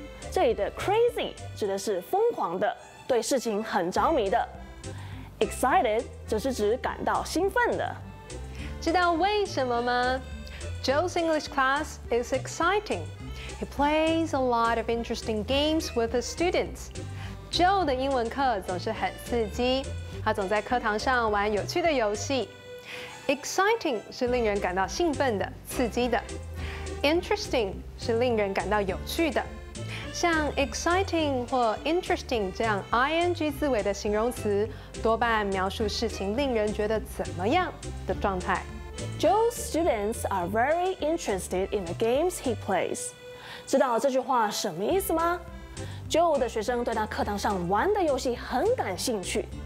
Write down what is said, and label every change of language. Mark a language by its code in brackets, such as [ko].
[zh] 这里的 crazy 指的是疯狂的，对事情很着迷的。 Excited 则是指感到兴奋的。知道为什么吗？ [en] Joe's English class is exciting. He plays a lot of interesting games with his students. [zh] Joe 的英文课总是很刺激，他总在课堂上玩有趣的游戏。 Exciting 是令人感到兴奋的、刺激的。Interesting 是令人感到有趣的。像 exciting 或 interesting 这样 ing 字尾的形容词，多半描述事情令人觉得怎么样的状态。 [en] Joe's students are very interested in the games he plays. [zh] 知道这句话什么意思吗？Joe 的学生对他课堂上玩的游戏很感兴趣。